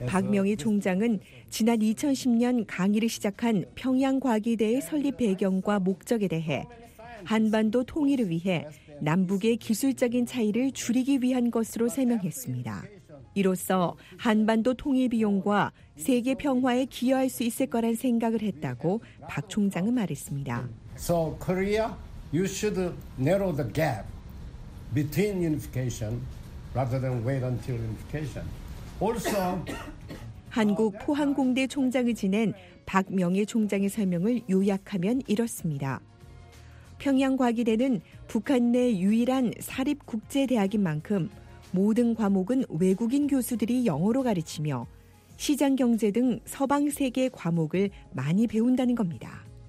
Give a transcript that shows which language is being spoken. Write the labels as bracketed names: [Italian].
[Korean] 박명희 총장은 지난 2010년 강의를 시작한 평양과학이대의 설립 배경과 목적에 대해 한반도 통일을 위해 남북의 기술적인 차이를 줄이기 위한 것으로 설명했습니다. 이로써 한반도 통일 비용과 세계 평화에 기여할 수 있을 거란 생각을 했다고 박 총장은 말했습니다. [English] So Korea, you should narrow the gap between unification rather than wait until unification. Also, [Korean] 한국 포항공대 총장을 지낸 박명희 총장의 설명을 요약하면 이렇습니다. 평양과학이대는 북한 내 유일한 사립 국제 대학인 만큼 모든 과목은 외국인 교수들이 영어로 가르치며 시장 경제 등 서방 세계 과목을 많이 배운다는 겁니다.